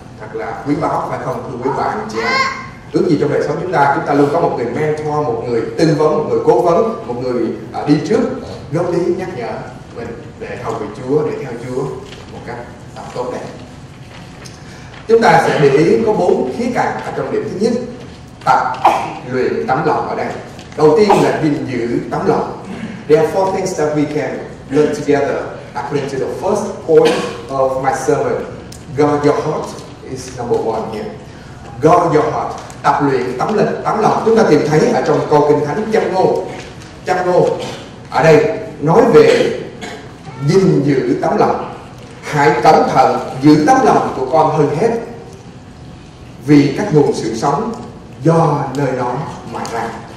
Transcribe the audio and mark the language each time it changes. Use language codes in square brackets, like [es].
[vi] thật là quý báu, phải không thưa quý bà anh chị em? Ước gì trong đời sống chúng ta luôn có một người mentor, một người tư vấn, một người cố vấn, một người đi trước góp lý nhắc nhở mình để hầu vị Chúa, để theo Chúa một cách tốt đẹp. Chúng ta sẽ để ý có bốn khía cạnh ở trong điểm thứ nhất, tập luyện tấm lòng ở đây. Đầu tiên là gìn giữ tấm lòng. [en] There are four things that we can learn together according to the first point of my sermon. Guard your heart is number one here. Guard your heart, [vi] tập luyện tấm lòng. Tấm lòng chúng ta tìm thấy ở trong câu kinh thánh Châm ngôn. Châm ngôn ở đây nói về gìn giữ tấm lòng. Hãy cẩn thận giữ tấm lòng của con hơn hết, vì các nguồn sự sống do nơi đó mà ra.